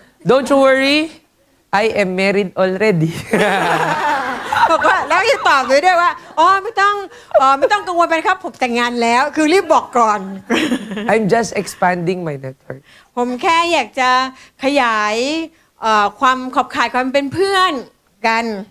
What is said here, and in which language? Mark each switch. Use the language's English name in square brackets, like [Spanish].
[English] Don't you worry, I am married already. [Thai] บอกว่าแล้วยังตอบด้วยว่าไม่ต้องกังวลไปครับผมแต่งงานแล้วคือรีบบอกก่อน [English] I'm just expanding my network [Thai] ผมแค่อยากจะขยายความขอบข่ายความเป็นเพื่อนกัน